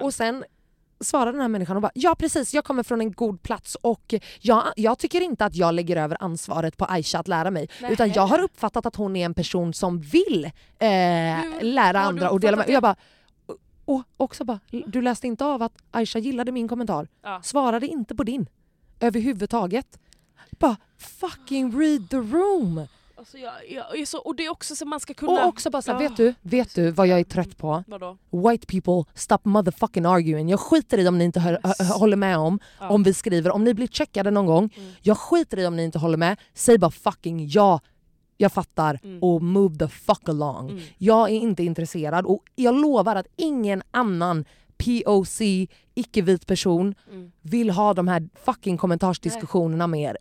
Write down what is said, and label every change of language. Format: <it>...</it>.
<sv>Och sen svarade den här människan och bara, ja precis, jag kommer från en god plats och jag tycker inte att jag lägger över ansvaret på Aisha att lära mig. Nej. Utan jag har uppfattat att hon är en person som vill lära andra och dela med. Jag bara, och också bara, du läste inte av att Aisha gillade min kommentar. Ja. Svarade inte på din. Överhuvudtaget.</sv> <en>Bara, fucking read the room.</en> <sv>Alltså jag är så, och det är också så man ska kunna... Och också bara så här, vet du vad jag är trött på? Vadå?</sv> <en>White people, stop motherfucking arguing.</en> <sv>Jag skiter i om ni inte håller med om vi skriver. Om ni blir checkade någon gång. Mm. Jag skiter i om ni inte håller med. Säg bara fucking ja. Jag fattar. Mm. Och move the fuck along. Mm. Jag är inte intresserad. Och jag lovar att ingen annan POC, icke-vit person vill ha de här fucking kommentarsdiskussionerna med er.</sv>